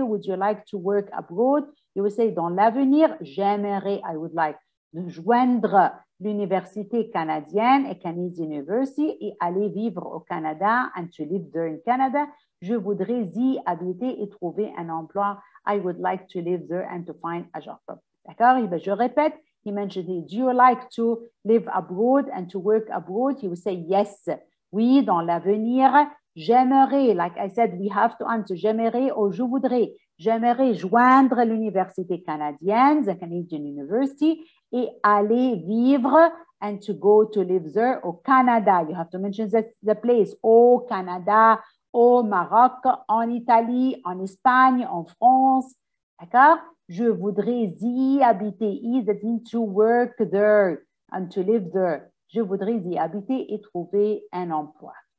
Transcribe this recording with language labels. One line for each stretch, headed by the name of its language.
English: Would you like to work abroad? You would say,
French: dans l'avenir, j'aimerais,
English: I would like,
French: de joindre l'université canadienne,
English: a Canadian University,
French: et aller vivre au Canada,
English: and to live there in Canada.
French: Je voudrais y habiter et trouver un emploi.
English: I would like to live there and to find a job.
French: D'accord? Et bien, je répète,
English: he mentioned, do you like to live abroad and to work abroad? He would say, yes.
French: Oui, dans l'avenir, j'aimerais,
English: like I said, we have to answer,
French: j'aimerais ou je voudrais. J'aimerais joindre l'université canadienne,
English: the Canadian University,
French: et aller vivre,
English: and to go to live there,
French: au Canada.
English: You have to mention the place,
French: au Canada, au Maroc, en Italie, en Espagne, en France, d'accord? Je voudrais y habiter,
English: that means to work there and to live there.
French: Je voudrais y habiter et trouver un emploi.